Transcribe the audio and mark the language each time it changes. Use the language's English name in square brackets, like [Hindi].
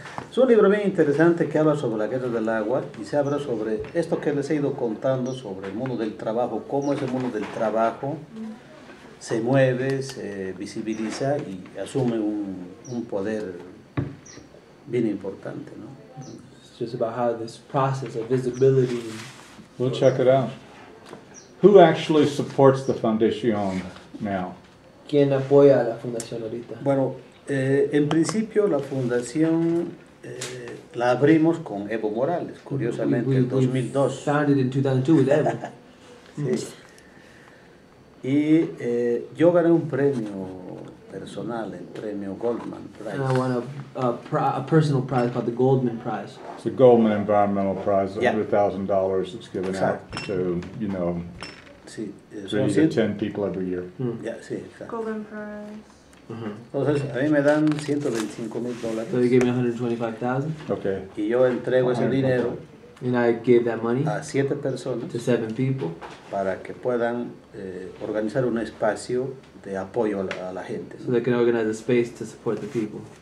[Spanish] Es un libro bien interesante que habla sobre la guerra del agua y se habla sobre esto que les he ido contando sobre el mundo del trabajo, cómo ese mundo del trabajo se mueve, se visibiliza y asume un poder bien importante, ¿no? [English] It's just about how this process of visibility. We'll check it out. Who actually supports the Fundación now? [Spanish] ¿Quién apoya a la Fundación ahorita? Bueno, en principio la fundación la abrimos con Evo Morales, curiosamente, en 2002. [English] Founded in 2002 with Evo. [Spanish] Y yo gané un premio personal, el premio Goldman Prize. [English] And I won a personal prize called the Goldman Prize. It's a Goldman Environmental Prize, $100,000. It's given out to, you know, three to 10 people every year. Golden Prize. [Spanish] Entonces, a mí me dan $125,000. [English] So they gave me $125,000. Okay. [Spanish] Y yo entrego ese dinero. [English] And I gave that money. [Spanish] A 7 personas. [English] To 7 people. [Spanish] Para que puedan organizar un espacio de apoyo a la gente. So they can organize a space to support the people.